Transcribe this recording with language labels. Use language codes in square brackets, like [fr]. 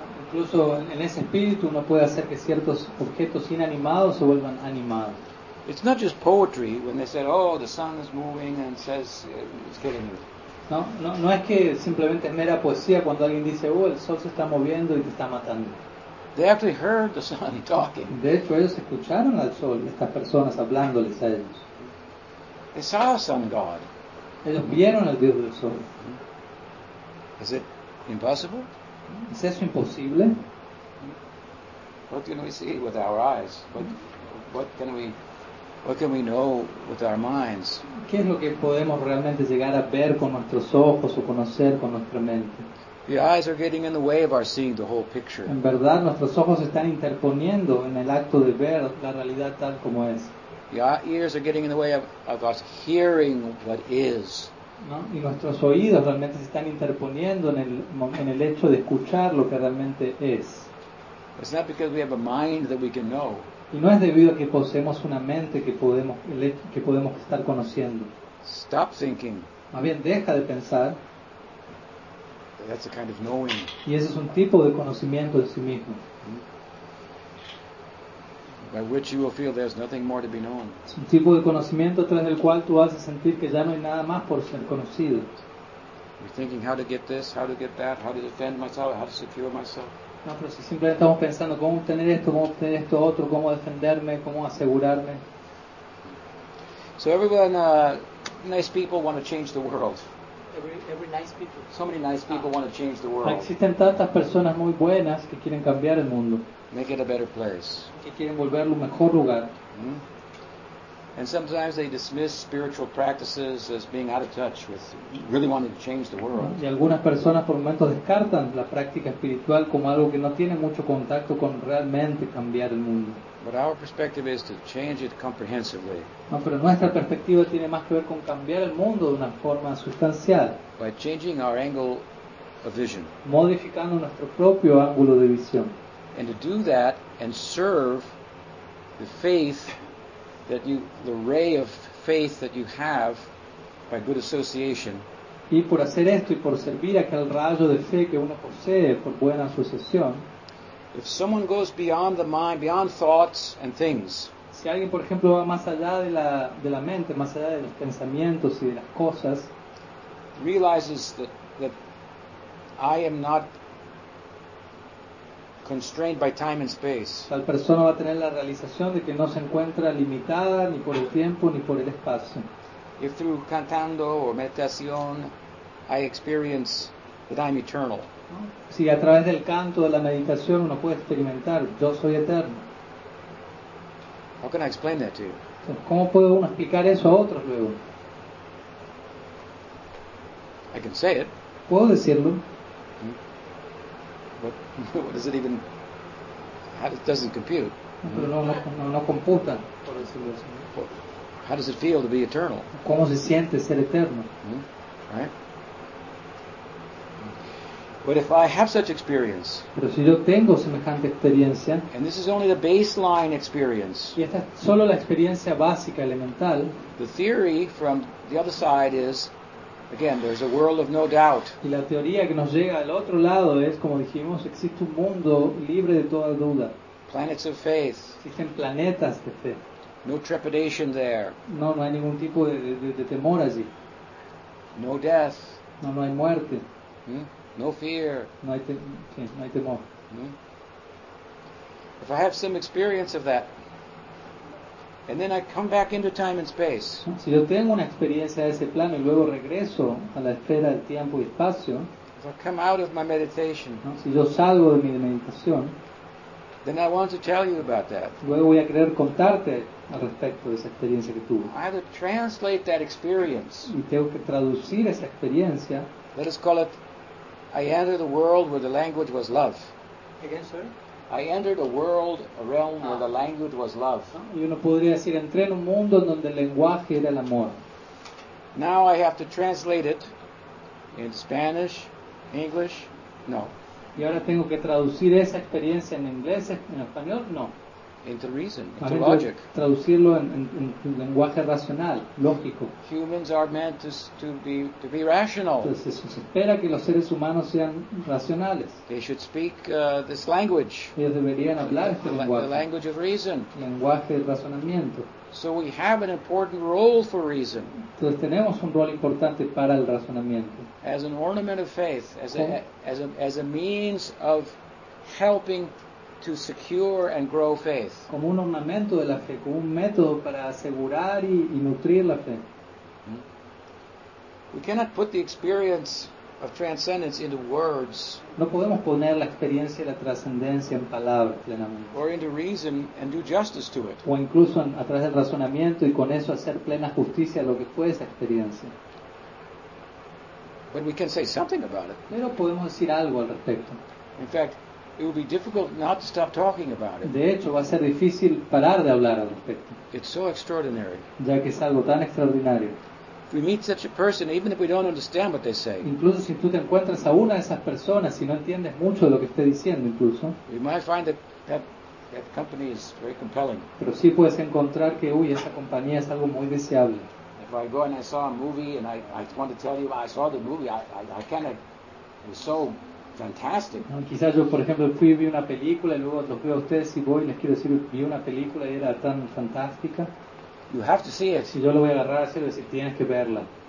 [es] Incluso en ese espíritu uno puede hacer que ciertos objetos inanimados se vuelvan animados. [en] It's not just poetry when they said, oh, the sun is moving and says it's getting it. [es] No es que simplemente es mera poesía cuando alguien dice, oh, el sol se está moviendo y te está matando. [en] They actually heard the sun talking. [es] De hecho, ellos escucharon al sol, estas personas hablándoles a ellos. [en] They saw a sun god. [es] Ellos vieron al dios del sol. [en] Is it impossible? [es] ¿Es eso imposible? [en] What can we see with our eyes? What can we know with our minds? [es] ¿Qué es lo que podemos realmente llegar a ver con nuestros ojos o conocer con nuestra mente? [en] The eyes are getting in the way of our seeing the whole picture. [es] En verdad, nuestros ojos están interponiendo en el acto de ver la realidad tal como es. [en] The ears are getting in the way of us hearing what is. [es] ¿No? Y nuestros oídos realmente se están interponiendo en el hecho de escuchar lo que realmente es. [en] It's not because we have a mind that we can know. [es] Y no es debido a que poseemos una mente que podemos estar conociendo. [en] Stop thinking. [es] Más bien, deja de pensar. [en] That's a kind of knowing. [es] Y ese es un tipo de conocimiento de sí mismo. [en] By which you will feel there's nothing more to be known. [es] Es un tipo de conocimiento tras el cual tú vas a sentir que ya no hay nada más por ser conocido. [en] You're thinking how to get this, how to get that, how to defend myself, how to secure myself. [es] No, pero si simplemente estamos pensando cómo obtener esto, cómo obtener esto otro, cómo defenderme, cómo asegurarme. [en] So everyone, nice people want to change the world. Every nice people. So many nice people want to change the world. [es] Existen tantas personas muy buenas que quieren cambiar el mundo. [en] Make it a better place. [es] Que quieren volverlo un mejor lugar. [en] And sometimes they dismiss spiritual practices as being out of touch with really wanting to change the world. [es] Y algunas personas por momentos descartan la práctica espiritual como algo que no tiene mucho contacto con realmente cambiar el mundo. [en] But our perspective is to change it comprehensively. [es] No, pero nuestra perspectiva tiene más que ver con cambiar el mundo de una forma sustancial. [en] By changing our angle of vision. [es] Modificando nuestro propio ángulo de visión. [en] And to do that and serve the faith that you, the ray of faith that you have by good association. [es] Y por hacer esto y por servir aquel rayo de fe que uno posee por buena asociación. [en] If someone goes beyond the mind, beyond thoughts and things. [es] Si alguien, por ejemplo, va más allá de la mente, más allá de los pensamientos y de las cosas, [en] realizes that, that I am not constrained by time and space. [es] Tal persona va a tener la realización de que no se encuentra limitada ni por el tiempo ni por el espacio. [en] If through cantando or meditación, I experience that I'm eternal. [es] Si a través del canto, de la meditación, uno puede experimentar, yo soy eterno. [en] How can I explain that to you? [es] ¿Cómo puedo uno explicar eso a otros luego? [en] I can say it. [es] Puedo decirlo. [en] But what does it even? How it doesn't compute. [es] Pero no computa, por decirlo así. [en] How does it feel to be eternal? [es] ¿Cómo se siente ser eterno? [en] But if I have such experience, [es] pero si yo tengo semejante experiencia, [en] and this is only the baseline experience, [es] y esta es solo la experiencia básica, elemental, [en] the theory from the other side is, again, there's a world of no doubt. [es] Y la teoría que nos llega al otro lado es, como dijimos, existe un mundo libre de toda duda. [en] Planets of faith. [es] Existen planetas de fe. [en] No trepidation there. [es] No, no hay ningún tipo de temor allí. [en] No death. [es] No, no hay muerte. [en] No fear. [es] No hay temor. [en] If I have some experience of that, and then I come back into time and space. [es] Si yo tengo una experiencia de ese plano y luego regreso a la esfera del tiempo y espacio. [en] If I come out of my meditation. [es] ¿No? Si yo salgo de mi meditación. [en] Then I want to tell you about that. [es] Luego voy a querer contarte al respecto de esa experiencia que tuve. [en] I have to translate that experience. [es] Y tengo que traducir esa experiencia. [en] Let us call it. I entered a world where the language was love. Again, sir? I entered a world, a realm where the language was love. [es] Y uno podría decir, entré en un mundo en donde el lenguaje era el amor. [en] Now I have to translate it in Spanish, English, no. [es] Y ahora tengo que traducir esa experiencia en inglés, en español, no. [en] Into reason, into logic. [es] Traducirlo en un lenguaje racional, lógico. [en] Humans are meant to be rational. [es] Entonces se espera que los seres humanos sean racionales. [en] They should speak this language. [es] Ellos deberían hablar este lenguaje. [en] The language of reason. [es] Lenguaje de razonamiento. [en] So we have an important role for reason. [es] Entonces tenemos un rol importante para el razonamiento. [en] As an ornament of faith, as a means of helping to secure and grow faith. [es] Como un ornamento de la fe, como un método para asegurar y nutrir la fe. [en] We cannot put the experience of transcendence into words. [es] No podemos poner la experiencia de la trascendencia en palabras plenamente. [en] Or into reason and do justice to it. [es] O incluso a través del razonamiento y con eso hacer plena justicia a lo que fue esa experiencia. [en] But we can say something about it. [es] Pero podemos decir algo al respecto. [en] In fact, it will be difficult not to stop talking about it. [es] De hecho, va a ser difícil parar de hablar al respecto. [en] It's so extraordinary. [es] Ya que es algo tan extraordinario. [en] If we meet such a person, even if we don't understand what they say, [es] incluso si tú te encuentras a una de esas personas, si no entiendes mucho de lo que esté diciendo, incluso, [en] you might find that company is very compelling. [es] Pero sí puedes encontrar que, uy, esa compañía es algo muy deseable. [en] If I go and I saw a movie and I want to tell you I saw the movie, I cannot. It was so fantastic. [es] No, quizás yo, por ejemplo, fui y vi una película y luego los veo a ustedes y voy y les quiero decir vi una película y era tan fantástica. [en] You have to see it. [es] Si yo lo voy a agarrar así, decir tienes que verla.